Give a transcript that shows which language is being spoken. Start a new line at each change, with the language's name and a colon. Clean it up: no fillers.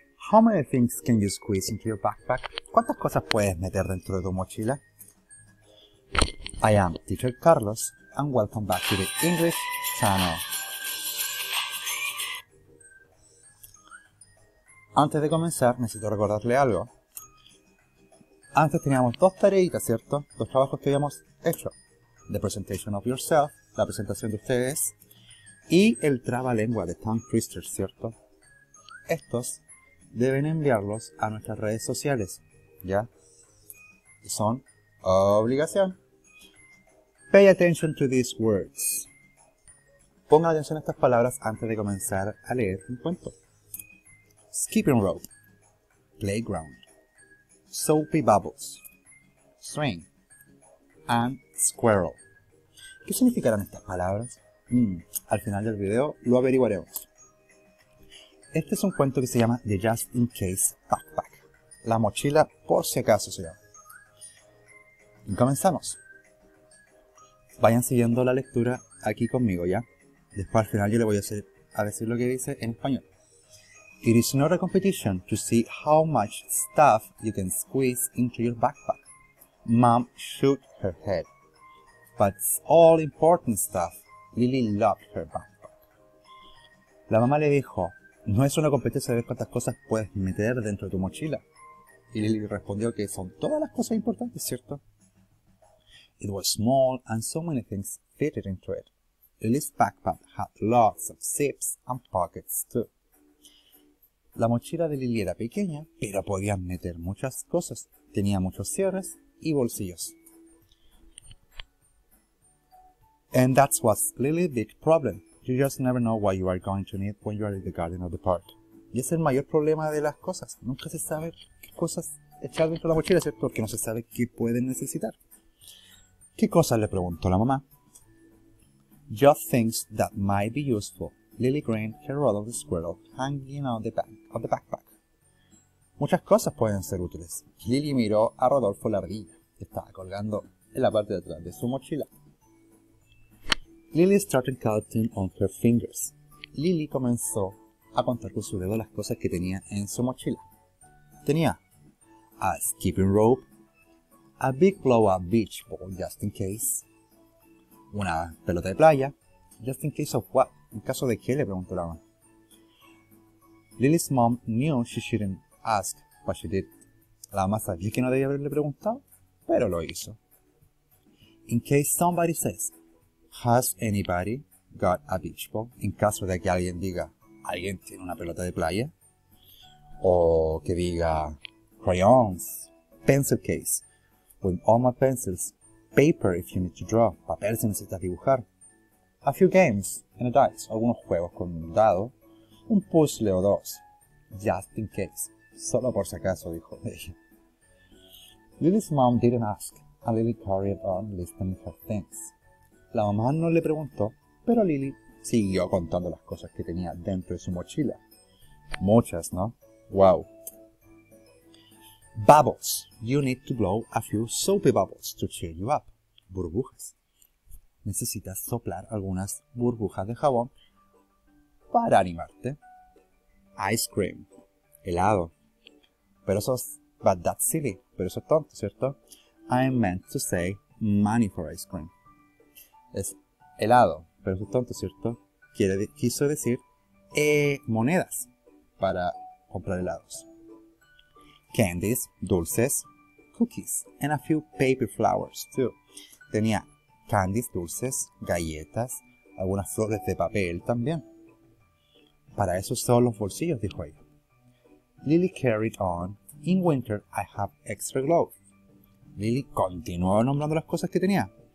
English: How many things can you squeeze into your backpack?
Spanish: ¿Cuántas cosas puedes meter dentro de tu mochila?
English: I am Teacher Carlos and welcome back to the English Channel.
Spanish: Antes de comenzar, necesito recordarle algo. Antes teníamos dos tareitas, ¿cierto? Dos trabajos que habíamos hecho.
English: The presentation of yourself,
Spanish: la presentación de ustedes, y el trabalengua de Tom Twister, ¿cierto? Estos deben enviarlos a nuestras redes sociales, ¿ya? Son obligación.
English: Pay attention to these words.
Spanish: Ponga atención a estas palabras antes de comenzar a leer un cuento.
English: Skipping rope, playground, soapy bubbles, swing, and squirrel.
Spanish: ¿Qué significarán estas palabras? Al final del video lo averiguaremos. Este es un cuento que se llama
English: The Just In Case Backpack.
Spanish: La mochila por si acaso se llama. Y comenzamos. Vayan siguiendo la lectura aquí conmigo, ¿ya? Después al final yo le voy a decir lo que dice en español.
English: It is not a competition to see how much stuff you can squeeze into your backpack. Mom shook her head. But it's all important stuff. Lily loved her backpack.
Spanish: La mamá le dijo, no es una competencia de ver cuántas cosas puedes meter dentro de tu mochila. Y Lily respondió que son todas las cosas importantes, ¿cierto?
English: It was small and so many things fitted into it. Lily's backpack had lots of zips and pockets too.
Spanish: La mochila de Lily era pequeña, pero podía meter muchas cosas. Tenía muchos cierres y bolsillos.
English: And that's what's Lily's big problem. You just never know what you are going to need when you are in the garden of the park.
Spanish: Y es el mayor problema de las cosas. Nunca se sabe qué cosas echar dentro de la mochila, ¿cierto? Porque no se sabe qué pueden necesitar. ¿Qué cosas? Le preguntó la mamá.
English: Just things that might be useful. Lily grinned her rod of the squirrel hanging on the back of the backpack.
Spanish: Muchas cosas pueden ser útiles. Lily miró a Rodolfo la ardilla, que estaba colgando en la parte de atrás de su mochila.
English: Lily started counting on her fingers.
Spanish: Lily comenzó a contar con su dedo las cosas que tenía en su mochila. Tenía
English: a skipping rope, a big blow-up beach ball just in case,
Spanish: una pelota de playa,
English: just in case of what?
Spanish: ¿En caso de qué? Le preguntó la mamá.
English: Lily's mom knew she shouldn't ask, but she did.
Spanish: La mamá sabía que no debía haberle preguntado, pero lo hizo.
English: In case somebody says, has anybody got a beach ball?
Spanish: En caso de que alguien diga, ¿alguien tiene una pelota de playa? O que diga,
English: crayons, pencil case. With all my pencils, paper if you need to draw,
Spanish: papel si necesitas dibujar.
English: A few games and a dice,
Spanish: algunos juegos con un dado, un puzzle o dos.
English: Just in case,
Spanish: solo por si acaso, dijo ella.
English: Lily's mom didn't ask, and Lily carried on listing her things.
Spanish: La mamá no le preguntó, pero Lily siguió contando las cosas que tenía dentro de su mochila. Muchas, ¿no?
English: Wow. Bubbles. You need to blow a few soapy bubbles to cheer you up.
Spanish: Burbujas. Necesitas soplar algunas burbujas de jabón para animarte.
English: Ice cream.
Spanish: Helado.
English: But that's silly.
Spanish: Pero eso es tonto, ¿cierto?
English: I meant to say money for ice cream.
Spanish: Es helado, pero es tonto, ¿cierto? Quiso decir monedas para comprar helados.
English: Candies,
Spanish: dulces,
English: cookies, and a few paper flowers, too.
Spanish: Tenía
English: candies,
Spanish: dulces, galletas, algunas flores de papel también. Para eso son los bolsillos, dijo ella.
English: Lily carried on. In winter, I have extra gloves.
Spanish: Lily continuó nombrando las cosas que tenía.